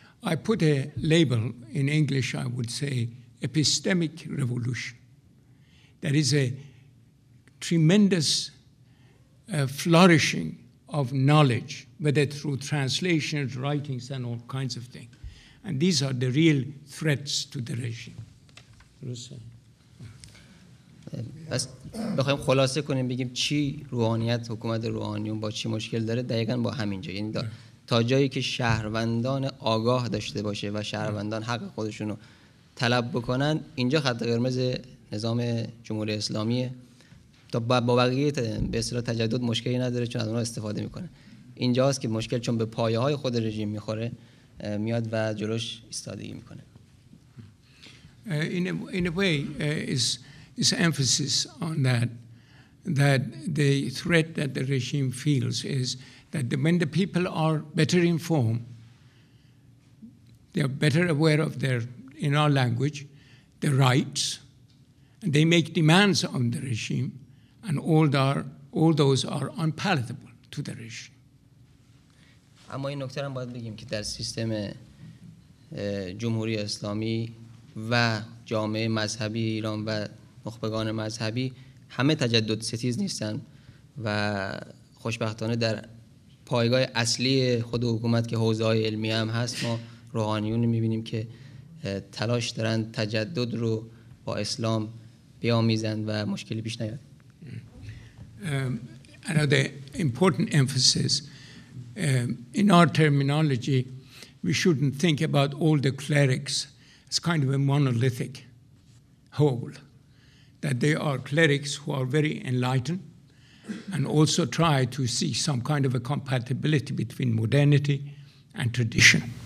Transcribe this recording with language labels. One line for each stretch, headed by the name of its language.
English: I put a label in English, I would say, epistemic revolution. That is a tremendous flourishing of knowledge, whether through translations, writings, and all kinds of things. And these are the real threats to the regime.
Persian: بس بخوایم خلاصه کنیم بگیم چی روحانیت، حکومت روحانیون با چی مشکل داره، دقیقاً با همینجا. یعنی تا جایی که شهروندان آگاه داشته باشه و شهروندان حق خودشونو طلب بکنن، اینجا خط قرمز نظام جمهوری اسلامیه. تا با بقیه به اصطلاح تجدد مشکلی نداره چون از اونها استفاده میکنه. اینجاست که مشکل، چون به پایه های خود رژیم میخوره، میاد و جلوش ایستادگی میکنه.
English: His emphasis on that the threat that the regime feels is that when the people are better informed, they are better aware of their, in our language, their rights, and they make demands on the regime, and all those are unpalatable to the regime.
Persian: اما این نکته رو باید بگیم که در سیستم جمهوری اسلامی و جامعه مذهبی ایران و نخبگان مذهبی همه تجدد ستیز نیستن و خوشبختانه در پایگاه اصلی خود حکومت که حوزه‌های علمی هم هست، ما روحانیون می‌بینیم که تلاش دارن تجدد رو با اسلام بیامیزند و مشکلی پیش نیاد.
English: Another important emphasis in our terminology, we shouldn't think about all the clerics as kind of a monolithic whole. That they are clerics who are very enlightened and also try to see some kind of a compatibility between modernity and tradition.